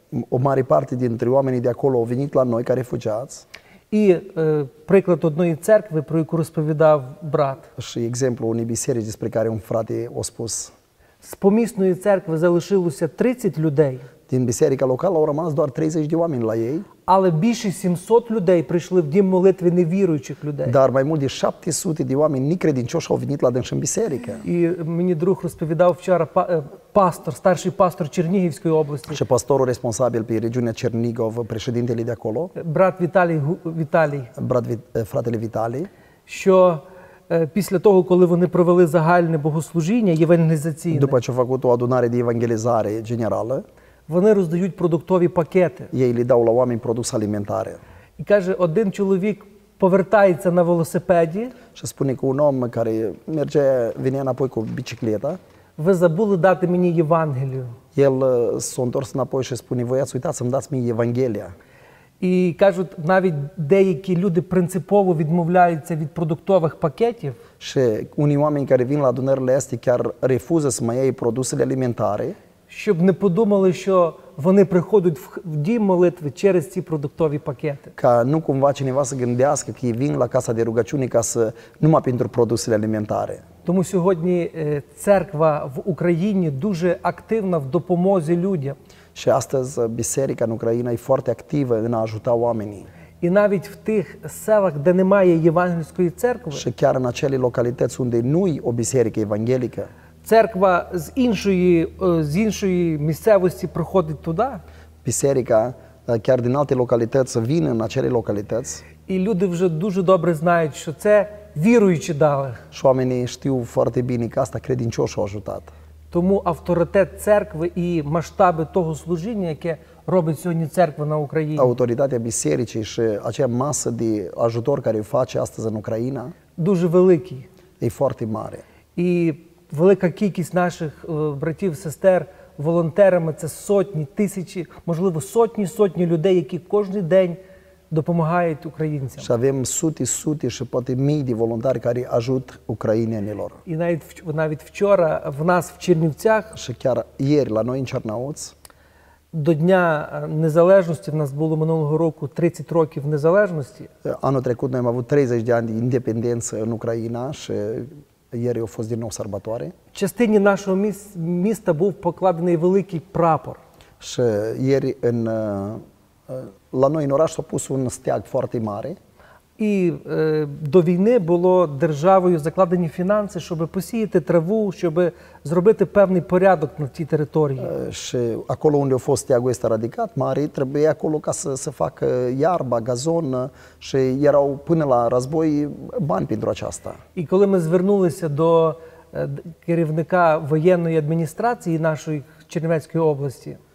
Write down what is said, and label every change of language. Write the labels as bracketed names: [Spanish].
[Romanian] O mare parte dintre oamenii de acolo au venit la noi ca refugiați. [Ukrainian] І приклад одної церкви, про яку розповідав брат. [Romanian] Și exemplu unei biserici despre care un frate a spus. [Ukrainian] З помісної церкви залишилося 30 людей. [Romanian] Din biserica locală au rămas doar 30 de oameni la ei. [Ukrainian] Але більше 700 людей прийшли в дім молитви невіруючих людей. [Romanian] Dar mai mult de 700 de oameni necredincioși au venit la dânsă în biserică. [Ukrainian] І мені друг розповідав вчора, пастор, старший пастор Чернігівської області. [Romanian] Și pastorul responsabil pe regiunea Chernigov, președintele de acolo. [Ukrainian] Брат Віталій, Віталій. [Romanian] Брат, fratele Віталій. [Ukrainian] Що після того, коли вони провели загальне богослужіння євангелізаційне. [Romanian] După ce au făcut o adunare de evanghelizare generală. [Ukrainian] Вони роздають продуктові пакети. [Romanian] Ei le dau la oameni produs alimentare. [Ukrainian] І каже, один чоловік повертається на велосипеді. [Romanian] Și spune că un om care merge, vine înapoi cu bicicleta. [Ukrainian] Ви забули дати мені Євангелію. [Romanian] El s-a întors înapoi și spune, voi ați uitat să-mi dați mie Євангелія. [Ukrainian] І кажуть, навіть деякі люди принципово відмовляються від продуктових пакетів. [Romanian] Și unii oameni care vin la adunările astea chiar refuză să mai iei produsele alimentare. [Ukrainian] Щоб не подумали, що вони приходять в дім молитви через ці продуктові пакети. [Romanian] Ca nu cumva cineva să gândească că ei vin la casa de rugăciune ca să numai pentru produsele alimentare. [Ukrainian] Тому сьогодні церква в Україні дуже активна в допомозі людям. [Romanian] Și astăzi biserica în Ucraina e foarte activă în a ajuta oamenii. [Ukrainian] І навіть в тих селах, де немає євангельської церкви. [Romanian] Și chiar în acele localități unde nu e o biserică evanghelică. [Ukrainian] Церква з іншої місцевості приходить туди. [Romanian] Biserica, chiar din alte localități, vine în acele localități. [Ukrainian] І люди вже дуже добре знають, що це віруючі дали. [Romanian] Și oamenii știu foarte bine că asta credincioși au ajutat. [Ukrainian] Тому авторитет церкви і масштаби того служіння, яке робить сьогодні церква на Україні. [Romanian] Autoritatea bisericii și acea masă de ajutor care face astăzi în Ucraina. [Ukrainian] Дуже великі. [Romanian] E foarte mare. [Ukrainian] І велика кількість наших братів, сестер, волонтерами, це сотні, тисячі, можливо, сотні людей, які кожен день допомагають українцям. [Romanian] Și avem sute și poate mii de voluntari care ajută ucrainenilor. [Ukrainian] І навіть вчора в нас в Чернівцях. [Romanian] Și chiar ieri la noi în Чернівці. [Ukrainian] До Дня Незалежності в нас було минулого року 30 років незалежності. [Romanian] Anul trecut noi am avut 30 de ani de independență în Ucraina și ieri a fost din nou sărbătoare. [Ukrainian] Частині нашого міста був покладений великий прапор. [Romanian] Și ieri în la noi în oraș s-a pus un steag foarte mare. [Ukrainian] І до війни було державою закладені фінанси, щоб посіяти траву, щоб зробити певний порядок на тій території. [Romanian] Și acolo unde a fost steagul ăsta radicat mare, trebuie acolo ca să se facă iarba, gazon și erau până la război bani pentru aceasta. [Ukrainian] І коли ми звернулися до керівника воєнної адміністрації нашої Чернівецької області,